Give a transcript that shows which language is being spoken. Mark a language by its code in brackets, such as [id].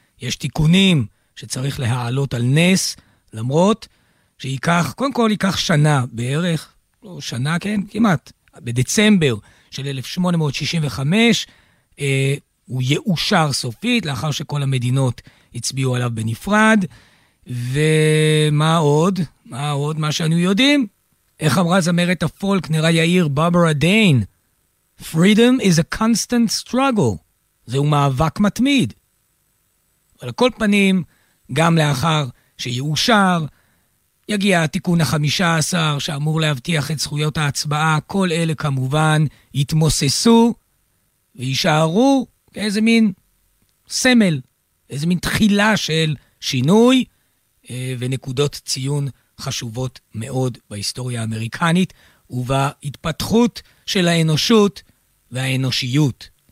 [he] יש תיקונים שצריך להעלות על נס, למרות שיקח, קודם כל ייקח שנה בערך, לא שנה, כן, כמעט, בדצמבר של 1865, הוא יאושר סופית, לאחר שכל המדינות הצביעו עליו בנפרד. ומה עוד? מה עוד? מה שאנו יודעים? איך אמרה זמרת הפולק, נראה יאיר, ברברה דיין? [en] Freedom is a constant struggle. [he] זהו מאבק מתמיד. על כל פנים, גם לאחר שיאושר, יגיע התיקון ה-15 שאמור להבטיח את זכויות ההצבעה. כל אלה כמובן יתמוססו וישארו איזה מין סמל, איזה מין תחילה של שינוי ונקודות ציון חשובות מאוד בהיסטוריה האמריקנית ובהתפתחות של האנושות והאנושיות.